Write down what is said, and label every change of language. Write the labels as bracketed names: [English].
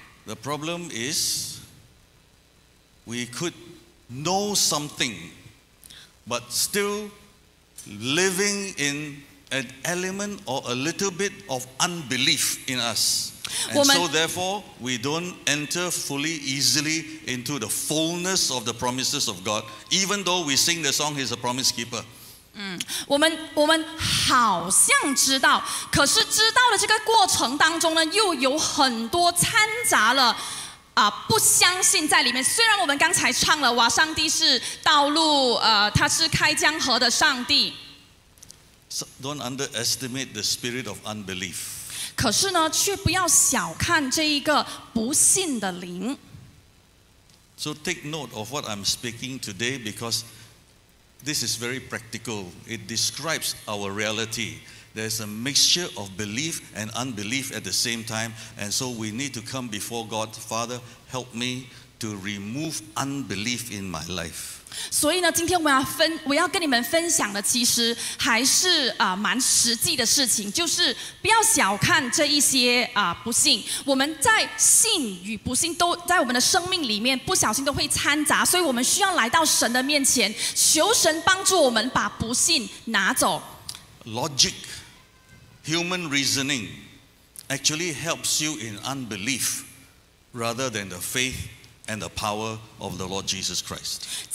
[English] The problem is we could know something but still living in an element or a little bit of unbelief in us. And so therefore, we don't enter fully easily into the fullness of the promises of God, even though we sing the song, He's a promise keeper. [Chinese] 我们好像知道，可是知道的这个过程当中呢，又有很多掺杂了。不相信在里面，虽然我们刚才唱了，哇，上帝是道路，他是开江河的上帝。 [English] So don't underestimate the spirit of unbelief. [Chinese] 可是呢，却不要小看这一个不信的灵。 [English] So take note of what I'm speaking today because this is very practical. It describes our reality. There's a mixture of belief and unbelief at the same time. And so we need to come before God, Father, help me to remove unbelief in my life. [Chinese] 所以呢，今天我要跟你们分享的，其实还是蛮实际的事情，就是不要小看这一些不信。我们在信与不信都在我们的生命里面不小心都会掺杂，所以我们需要来到神的面前，求神帮助我们把不信拿走。 [English] Logic, human reasoning, actually helps you in unbelief rather than the faith and the power of the Lord Jesus Christ.